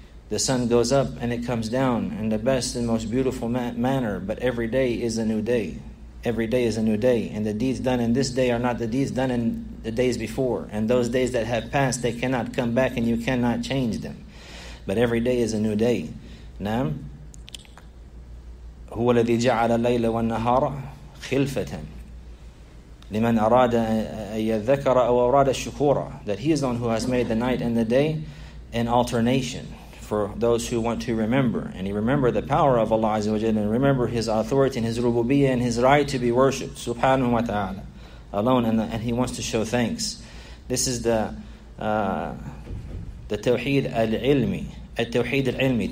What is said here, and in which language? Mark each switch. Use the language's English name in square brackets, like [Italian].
[English] The sun goes up and it comes down in the best and most beautiful manner, but every day is a new day. Every day is a new day, and the deeds done in this day are not the deeds done in the days before. And those days that have passed, they cannot come back, and you cannot change them. But every day is a new day. [Arabic] Naam. هو الذي جعل الليل والنهار خلفة لمن أراد أن يذكر أو أراد الشكورة. [English] That He is the one who has made the night and the day an alternation for those who want to remember. And you remember the power of Allah Azza wa Jal, and remember His authority and His rububiyyah and His right to be worshipped, subhanahu wa ta'ala, alone. And He wants to show thanks. This is the tawheed al-ilmi. At-tawheed al-ilmi.